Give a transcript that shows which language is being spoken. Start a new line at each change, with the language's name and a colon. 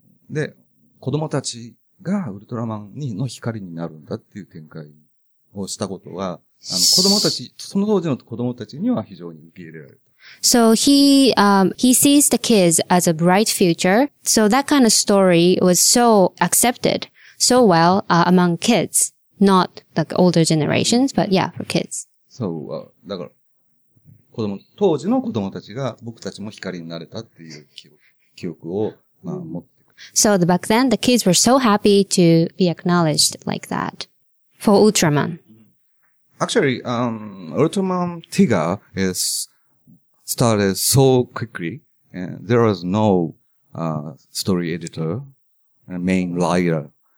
Japanese: で子供たちがウルトラマンにの光になるんだっていう展開。
English: So he sees the kids as a bright future. So that kind of story was so accepted so well among kids, not like older generations, but yeah, for kids.
Japanese: So, だから子供当時の子供たちが僕たちも光になれたっていう気持ち。記憶を、まあ、持って
English: So the, back then, the kids were so happy to be acknowledged like that for Ultraman. Actually, Ultraman Tiga is started so quickly, and there was no story editor, main writer.